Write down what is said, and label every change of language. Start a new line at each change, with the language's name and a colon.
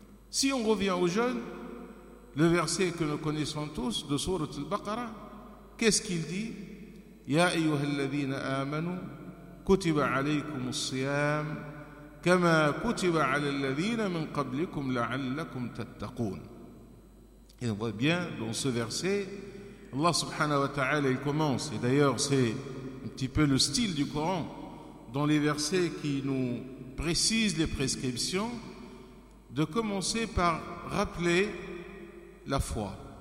French: Si on revient au jeûne, le verset que nous connaissons tous de sourate al-Baqara, qu'est-ce qu'il dit?
Arabic: Ya ayyuhalladhina amanu kutiba 'alaykumus siyam كما كتب على الذين من قبلكم لعلكم تتقون.
French: Et on voit bien dans ce verset, Allah subhanahu wa ta'ala, il commence, et d'ailleurs c'est un petit peu le style du Coran, dans les versets qui nous précisent les prescriptions, de commencer par rappeler la foi.